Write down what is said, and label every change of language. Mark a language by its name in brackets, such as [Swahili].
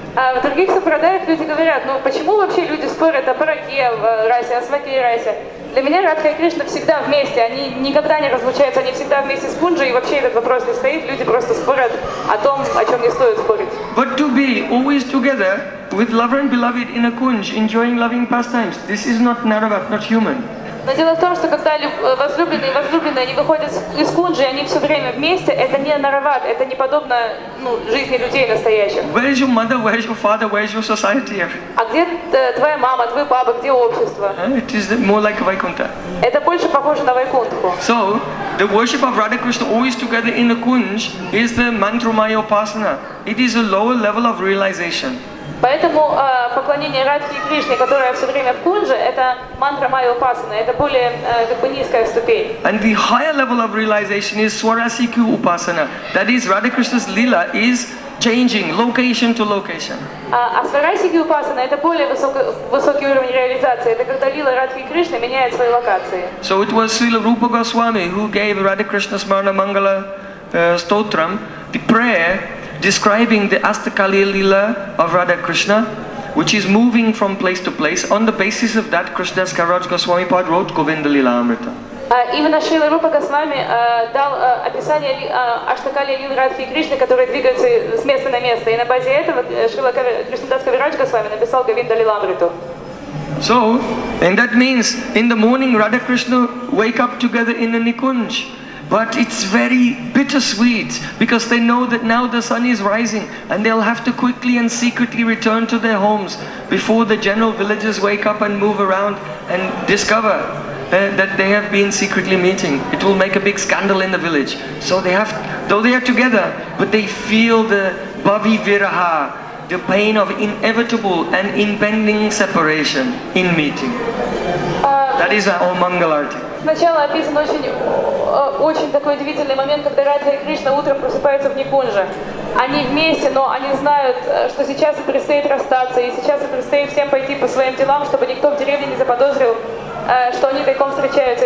[Russian] В других сампрадаях люди говорят, ну почему вообще люди спорят о Паракия в расе, о Свакия в расе? Для меня Радха и Кришна всегда вместе, они никогда не разлучаются, они всегда вместе с Пунджей, и вообще этот вопрос не стоит, люди просто спорят о том, о чем не стоит спорить. [English] But to be always together with lover and beloved in a kunj, enjoying loving pastimes, this is not Naravat, not human. [Russian] Но дело в том, что когда возлюбленные и возлюбленные, они выходят из кунджи, и они все время вместе, это не Нараватт, это не подобно, ну, жизни людей настоящих. [English] Where is your mother, where is your father, where is your society? [Russian] А где твоя мама, твой папа, где общество? [English] It is more like Vaikuntha. [Russian] Это больше похоже на Вайкунтху. [English] So, the worship of Radha Krishna always together in a kunj is the mantramaya upasana. It is a lower level of realization. [Russian] Поэтому поклонение Радхе и Кришне, которое все время в кунже, это мантра майя упасана, это более как бы низкая ступень. [English] And the higher level of realization is Swarasiki upasana. That is, Radha Krishna's lila is changing location to location. [Russian] А Свараси-ки упасана это более высокий уровень реализации. Это когда лила Радхи и Кришны меняет свои локации. [English] So it was Srila Rupa Goswami who gave Radha Krishna Smarana Mangala Stotram the prayer describing the Astakaliya Lila of Radha Krishna, which is moving from place to place. On the basis of that, Krishna Skaraj Goswami Pad wrote Govinda Lila Amrita. [Russian] Именно Шрила Рупа Госвами дал описание Аштакалия Лилы Радхи и Кришны, которые двигаются с места на место. И на базе этого Шрила Кришнадас Кавирадж Госвами написал Говинда Лила Амриту. [English] So, and that means in the morning Radha Krishna wake up together in the Nikunj. But it's very bittersweet because they know that now the sun is rising and they'll have to quickly and secretly return to their homes before the general villagers wake up and move around and discover that they have been secretly meeting. It will make a big scandal in the village. So they have, though they are together, but they feel the bhavi viraha, the pain of inevitable and impending separation in meeting. That is our Mangalarti. [Russian] Сначала описан очень такой удивительный момент, когда Радха и Кришна утром просыпаются в Никунже. Они вместе, но они знают, что сейчас им предстоит расстаться, и сейчас им предстоит всем пойти по своим делам, чтобы никто в деревне не заподозрил, что они тайком встречаются.